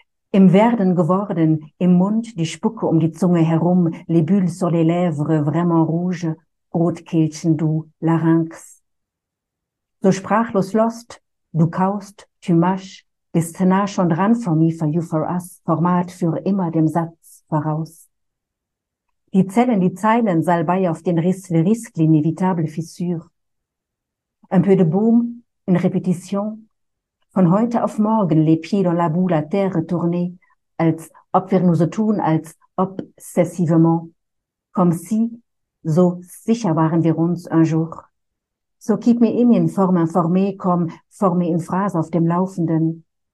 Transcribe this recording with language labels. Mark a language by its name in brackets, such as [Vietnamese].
[German] Im Werden geworden, im Mund die Spucke um die Zunge herum, [French] les bulles sur les lèvres, vraiment rouge, [German] Rotkehlchen, du, Larynx. So sprachlos lost, du kaust, [French] tu mâches, [German] bist nah schon dran [English] for me, for you, for us, [German] Format für immer dem Satz voraus. Die Zellen, die Zeilen, Salbei auf den Riss, [French] le risque, l'inévitable fissure. Un peu de boom, une répétition. [German] Von heute auf morgen, [French] les pieds dans la boue, la terre tournée, [German] als ob wir nur so tun, als obsessivement. [French] Comme si, [German] so sicher waren wir uns [French] un jour. [English] So keep me in form [French] informé, comme formé [English] in phrase [German] auf dem Laufenden.